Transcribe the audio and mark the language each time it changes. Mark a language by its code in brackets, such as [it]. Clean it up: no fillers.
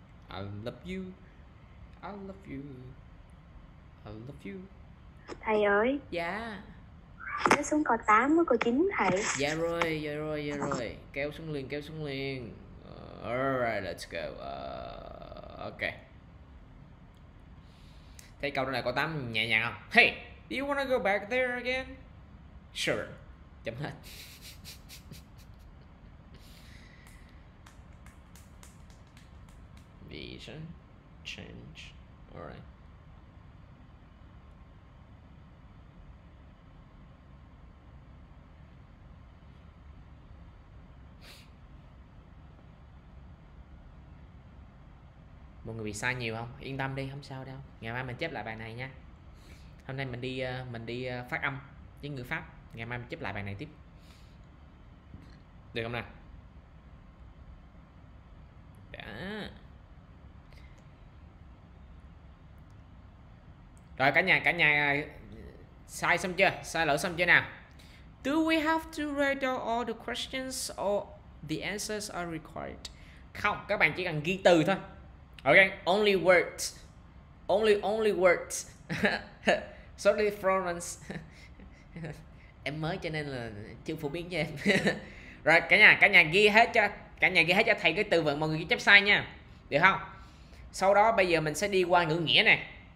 [en] I love you. I love you. I love you. [vi] Thầy ơi. Dạ. Nó xuống câu 8 với câu 9 thầy. Dạ rồi, dạ rồi, dạ rồi. Kéo xuống liền, kéo xuống liền. [en] Alright, let's go. Ok. [vi] Thấy câu này câu 8 nhẹ nhàng không? [en] Hey, do you wanna go back there again? Sure. [vi] Chấm hết. [en] Vision. Change. Alright. [vi] Mọi người bị sai nhiều không? Yên tâm đi, không sao đâu. Ngày mai mình chép lại bài này nha. Hôm nay mình đi phát âm với người Pháp. Ngày mai mình chép lại bài này tiếp. Được không nào? Đã. Rồi cả nhà sai xong chưa? Sai lỗi xong chưa nào? [en] Do we have to write down all the questions or the answers are required? [vi] Không, các bạn chỉ cần ghi từ thôi. [en] Okay, only words. Only words. Sorry [vi] Florence. Em mới cho nên là chưa phổ biến cho em. Rồi cả nhà ghi hết cho cả nhà ghi hết cho thầy cái từ vựng mọi người ghi chép sai nha. Được không? Sau đó bây giờ mình sẽ đi qua ngữ nghĩa này.